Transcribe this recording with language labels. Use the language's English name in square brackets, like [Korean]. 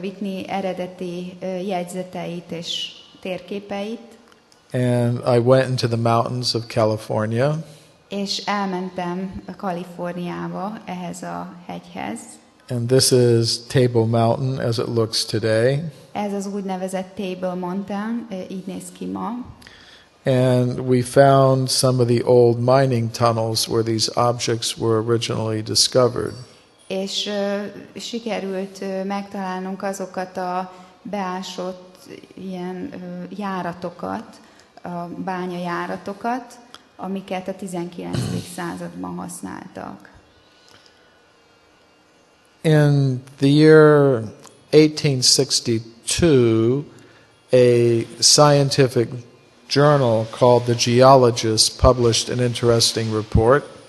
[Hungarian] Whitney eredeti jegyzeteit és térképeit. [English] And I went into the mountains of California. [Hungarian] És elmentem a Kaliforniába ehhez a hegyhez. [English] And this is Table Mountain as it looks today. [Hungarian] Ez az úgynevezett Table Mountain, így néz ki ma. [English] And we found some of the old mining tunnels where these objects were originally discovered. [Hungarian] És sikerült megtalálnunk azokat a beásott ilyen járatokat, a bánya járatokat, amiket a 19. században használtak. [English] In the year 1862, a scientific journal called The Geologist published an interesting report.